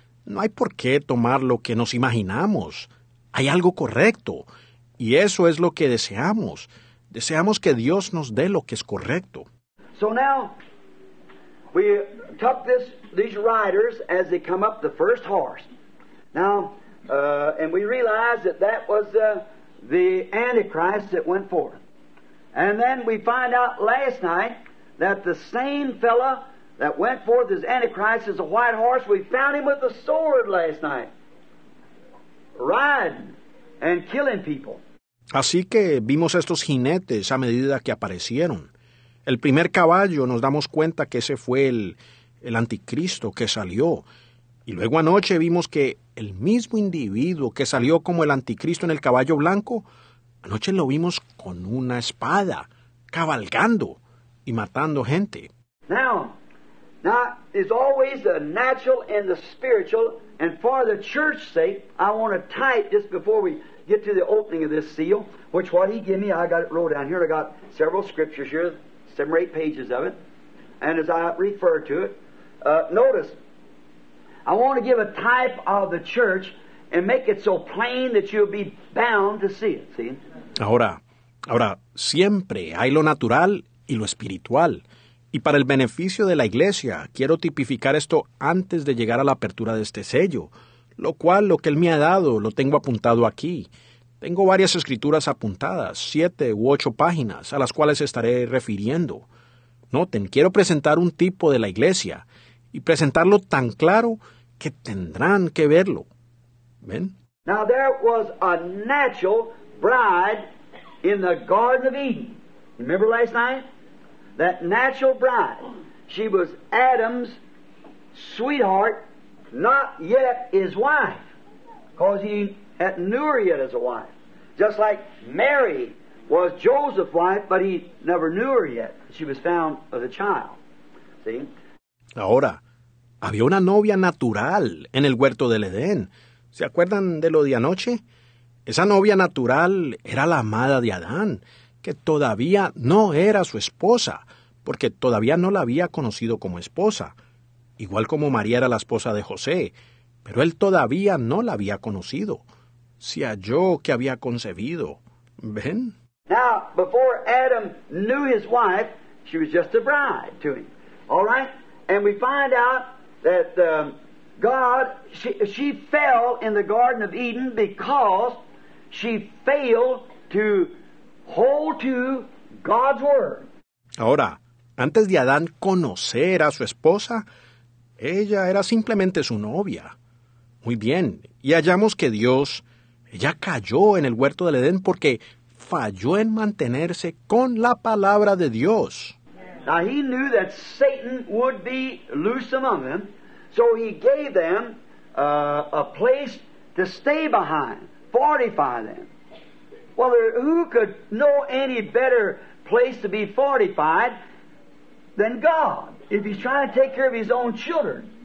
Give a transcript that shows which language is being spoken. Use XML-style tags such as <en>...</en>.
<es>No hay por qué tomar lo que nos imaginamos. Hay algo correcto. Y eso es lo que deseamos. Deseamos que Dios nos dé lo que es correcto.</es> <en>So now, we took these riders as they come up the first horse. Now, and we realized that was the Antichrist that went forth. And then we find out last night that the same fella that went forth as Antichrist as a white horse, we found him with a sword last night, riding and killing people.</en> <es>Así que vimos estos jinetes a medida que aparecieron. El primer caballo, nos damos cuenta que ese fue el anticristo que salió. Y luego anoche vimos que el mismo individuo que salió como el anticristo en el caballo blanco, anoche lo vimos con una espada, cabalgando y matando gente.</es> <en>Now, it's always the natural and the spiritual, and for the church's sake, I want to type just before we get to the opening of this seal, which what he gave me, I got it wrote down here. I got several scriptures here, 7 or 8 pages of it, and as I refer to it, notice, I want to give a type of the church and make it so plain that you'll be bound to see it. See?</en> <es>Ahora, siempre hay lo natural y lo espiritual. Y para el beneficio de la iglesia, quiero tipificar esto antes de llegar a la apertura de este sello, lo cual lo que él me ha dado lo tengo apuntado aquí. Tengo varias escrituras apuntadas, 7 u 8 páginas, a las cuales estaré refiriendo. Noten, quiero presentar un tipo de la iglesia y presentarlo tan claro que tendrán que verlo. ¿Ven?</es> <en>Now there was a natural bride in the Garden of Eden. Remember last night? That natural bride. She was Adam's sweetheart, not yet his wife. Because he hadn't knew her yet as a wife. Just like Mary was Joseph's wife, but he never knew her yet. She was found as a child. See?</en> <es>Ahora, había una novia natural en el huerto del Edén. ¿Se acuerdan de lo de anoche? Esa novia natural era la amada de Adán, que todavía no era su esposa, porque todavía no la había conocido como esposa, igual como María era la esposa de José, pero él todavía no la había conocido. Se halló que había concebido. ¿Ven?</es> <en>Now, before Adam knew his wife, she was just a bride to him. All right? And we find out that God, she fell in the Garden of Eden because she failed to hold to God's word.</en> <es>Ahora, antes de Adán conocer a su esposa, ella era simplemente su novia. Muy bien, y hallamos que Dios, ella cayó en el huerto del Edén porque falló en mantenerse con la palabra de Dios.</es> <en>Now he knew that Satan would be loose among them, so he gave them a place to stay behind, fortify them. Well, who could know any better place to be fortified than God if he's trying to take care of his own children?</en>